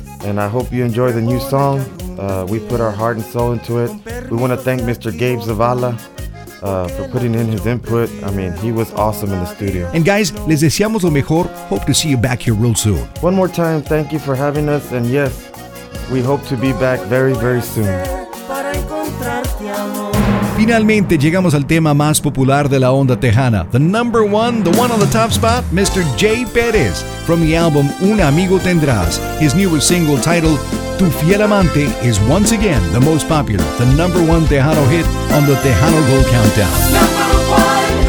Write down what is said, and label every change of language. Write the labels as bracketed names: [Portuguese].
[English] And I hope you enjoy the new song. We put our heart and soul into it. We want to thank Mr. Gabe Zavala for putting in his input. I mean, he was awesome in the studio. And guys, [Spanish] les deseamos lo mejor. [English] Hope to see you back here real soon. One more time, thank you for having us. And yes, we hope to be back very, very soon. [Spanish] Finalmente llegamos al tema más popular de la onda tejana. [English] The number one, the one on the top spot, Mr. Jay Perez. From the album Un Amigo Tendrás, his newest single titled Tu Fiel Amante is once again the most popular, the number one Tejano hit on the Tejano Gold Countdown.